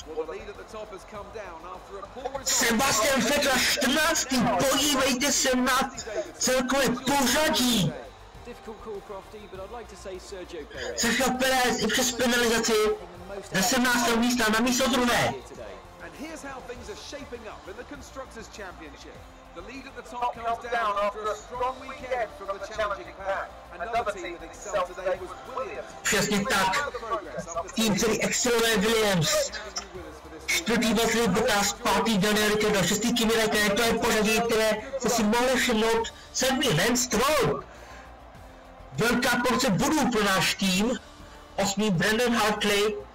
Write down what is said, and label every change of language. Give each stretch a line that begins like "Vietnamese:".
English: lead at the top has come down after a poor result.
Czech: Sebastian Vettel, 14th, podívejte se na celkové pořadí.
English: Difficult call, Crofty, but I'd like to say Sergio Perez.
Czech: Sergio Perez i přes penalizaci ze 17. místa na místo druhé.
English: And here's how things are shaping up in the Constructors' Championship. The lead at the top comes down after a strong weekend from the challenging pack. Another team that excelled today was Williams.
Czech: Přesně tak. Tým, který exceluje Williams. Čtvrtý Valtteri Bottas, pátý Daniel Ricciardo, šestý Kimi Räikkönen. To je pořadí, které jste si mohli všimnout. Sedmý Lance Stroll. Velká porce bodů pro náš tým. Osmý Brandon Hartley.